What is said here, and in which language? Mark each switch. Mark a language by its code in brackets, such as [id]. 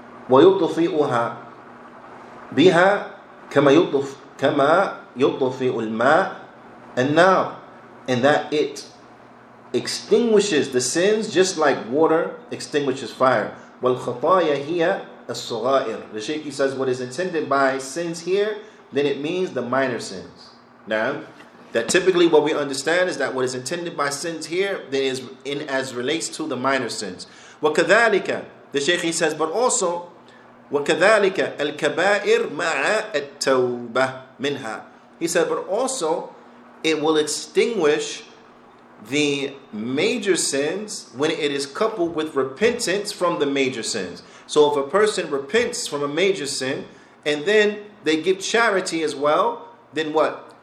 [ar] ويطفئها بها كما يطفئ الماء النار, [en] and that it extinguishes the sins just like water extinguishes fire. [ar] والخطايا هي الصغائر. [en] The Shaykh, he says, what is intended by sins here, then it means the minor sins. Now, that typically what we understand is that what is intended by sins here, then is in as relates to the minor sins. [ar] وكذلك, [en] the Shaykh, he says, but also, [ar] وكذلك الكبائر مع التوبة منها. [en] He said, but also, it will extinguish the major sins when it is coupled with repentance from the major sins. So if a person repents from a major sin and then they give charity as well, then what?